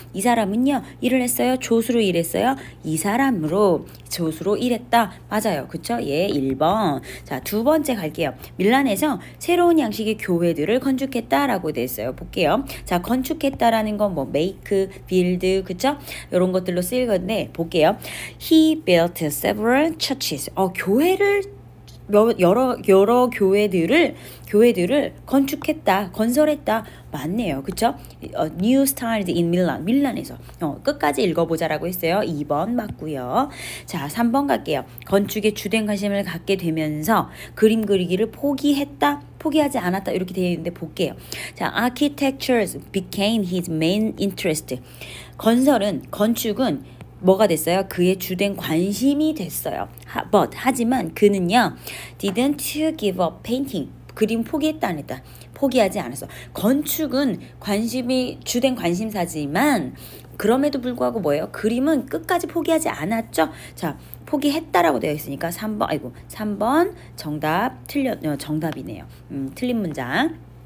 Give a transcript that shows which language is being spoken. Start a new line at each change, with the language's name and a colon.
Korean: 이 사람은요, 일을 했어요? 조수로 일했어요? 이 사람으로 조수로 일했다. 맞아요. 그쵸? 예, 1번. 자, 두 번째 갈게요. 밀란에서 새로운 양식의 교회들을 건축했다라고 돼 있어요. 볼게요. 자, 건축했다라는 건 뭐, make, build, 그쵸? 요런 것들로 쓰일 건데, 볼게요.
English: He built several churches.
Korean: 교회를 여러 교회들을 건축했다, 건설했다. 맞네요. 그쵸?
English: New Start in Milan.
Korean: 밀란에서. 끝까지 읽어보자라고 했어요. 2번 맞고요. 자, 3번 갈게요. 건축에 주된 관심을 갖게 되면서 그림 그리기를 포기했다, 포기하지 않았다. 이렇게 되어 있는데 볼게요.
English: 자, Architectures became his main interest.
Korean: 건축은 뭐가 됐어요? 그의 주된 관심이 됐어요.
English: But
Korean: 하지만 그는요,
English: didn't give up painting.
Korean: 그림 포기했다 안 했다? 포기하지 않았어. 건축은 관심이 주된 관심사지만 그럼에도 불구하고 뭐예요? 그림은 끝까지 포기하지 않았죠. 자, 포기했다라고 되어 있으니까 3번. 아이고, 3번 정답 정답이네요. 틀린 문장.